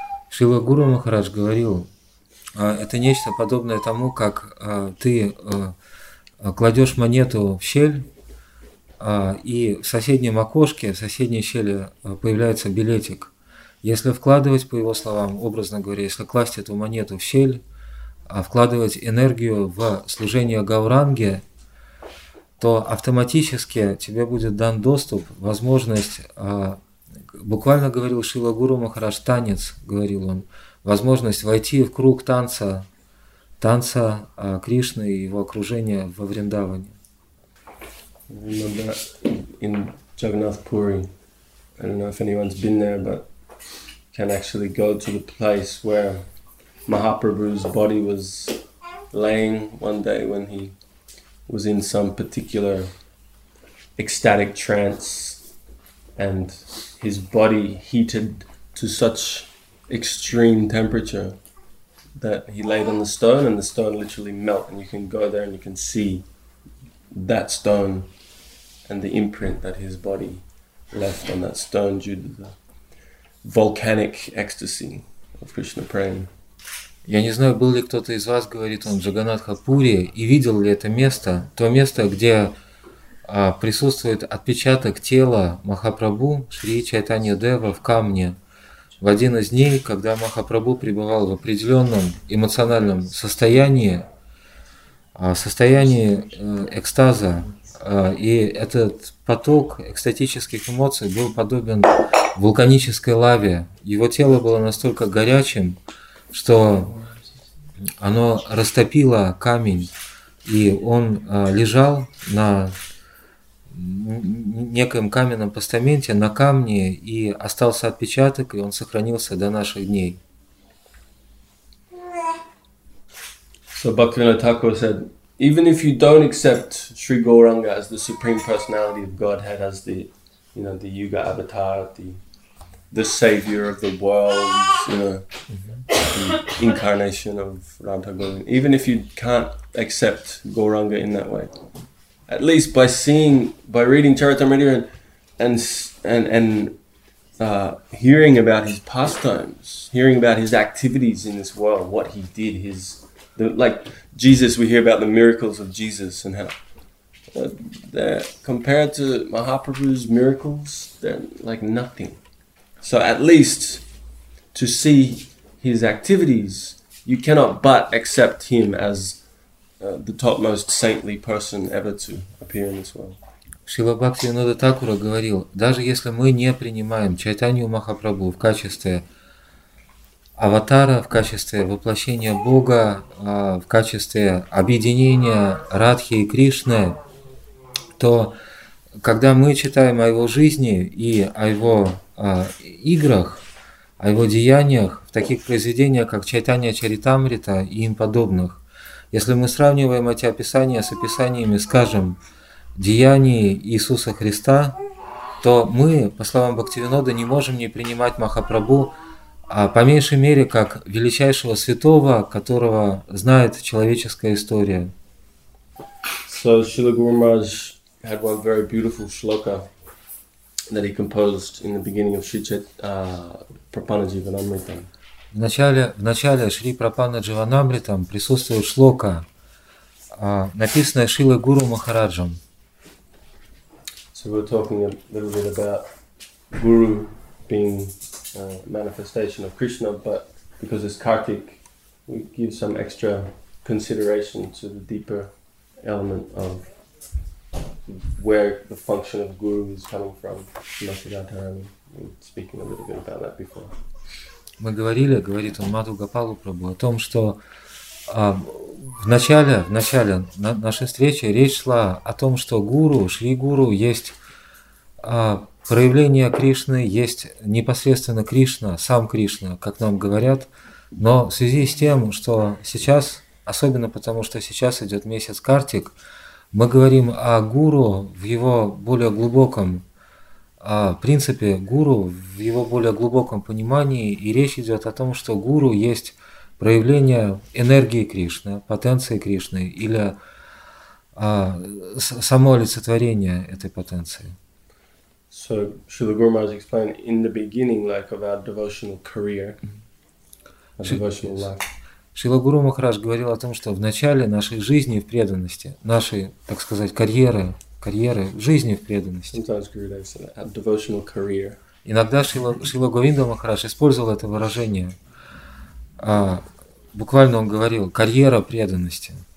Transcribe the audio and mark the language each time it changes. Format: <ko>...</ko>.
<ru>Шрила Гуру Махарадж говорил, это нечто подобное тому, как ты кладешь монету в щель, и в соседнем окошке, в соседней щели появляется билетик. Если вкладывать, по его словам, образно говоря, если класть эту монету в щель, вкладывать энергию в служение Гауранге, то автоматически тебе будет дан доступ, возможность... Буквально говорил Шрила Гуру Махарадж, танец, говорил он, возможность войти в круг танца Кришны и его окружения во Вриндаване.</ru> <en>In Jagannath Puri, I don't know if anyone's been there, but can actually go to the place where Mahaprabhu's body was laying one day when he was in some particular ecstatic trance. And his body heated to such extreme temperature that he laid on the stone and the stone literally melt. And you can go there and you can see that stone and the imprint that his body left on that stone due to the volcanic ecstasy of Krishna praying.</en> <ru>Я не знаю, был ли кто-то из вас, говорит он, в Джаганатхапуре, и видел ли это место, то место, где присутствует отпечаток тела Махапрабху Шри Чайтанья Дева в камне. В один из дней, когда Махапрабху пребывал в определенном эмоциональном состоянии, состоянии экстаза, и этот поток экстатических эмоций был подобен вулканической лаве. Его тело было настолько горячим, что оно растопило камень, и он лежал на неком каменном постаменте на камне и остался отпечаток, и он сохранился до наших дней.</ru> <en>So Bhaktivinoda Thakur said, even if you don't accept Sri Gauranga as the supreme personality of Godhead, as the, you know, the Yuga Avatar, the savior of the world, you know, the incarnation of Radha Govind, even if you can't accept Gauranga in that way, at least by seeing, by reading Charitamrita and hearing about his pastimes, hearing about his activities in this world, what he did, like Jesus, we hear about the miracles of Jesus and how compared to Mahaprabhu's miracles, they're like nothing. So at least to see his activities, you cannot but accept him as the topmost saintly person ever to appear in this world.</en> <ru>Шрила Бхактивинода Такура говорил, даже если мы не принимаем Чайтанью Махапрабху в качестве аватара, в качестве воплощения Бога, в качестве объединения Радхи и Кришны, то когда мы читаем о его жизни и о его играх, о его деяниях, в таких произведениях, как Чайтанья Чаритамрита и им подобных, если мы сравниваем эти описания с описаниями, скажем, деяний Иисуса Христа, то мы, по словам Бхактивинода, не можем не принимать Махапрабху, а по меньшей мере, как величайшего святого, которого знает человеческая история.</ru> <en>So, Srila Guru Maharaj had one very beautiful shloka that he composed in the beginning of Sri Prapana Jivanamritam.</en> <ru>В начале Шри Прапана Дживанамритам присутствует шлока, написанная Шрила Гуру Махараджем.</ru> <en>So we're talking a little bit about Guru being a manifestation of Krishna, but because it's Kartik, we give some extra consideration to the deeper element of where the function of Guru is coming from. Masidantarani, we're speaking a little bit about that before.</en> <ru>Мы говорили, говорит он Маду Гопалу Прабху, о том, что в начале нашей встречи речь шла о том, что Гуру, Шри Гуру, есть проявление Кришны, есть непосредственно Кришна, сам Кришна, как нам говорят. Но в связи с тем, что сейчас, особенно потому, что сейчас идет месяц Картик, мы говорим о Гуру в его более глубоком принципе, Гуру в его более глубоком понимании, и речь идет о том, что Гуру есть проявление энергии Кришны, потенции Кришны, или само олицетворение этой потенции.</ru> <en>So, Srila Guru Maharaj explained in the beginning, like of our devotional career, our devotional life.</en> <ru>Шрила Гуру Махарадж говорил о том, что в начале нашей жизни в преданности, нашей, так сказать, карьеры, жизни в преданности.</ru> <en>Sometimes Guru Dev said that, our devotional career.</en> <ru>Иногда Шрила Говинда Махарадж использовал это выражение. Буквально он говорил, карьера преданности.</ru>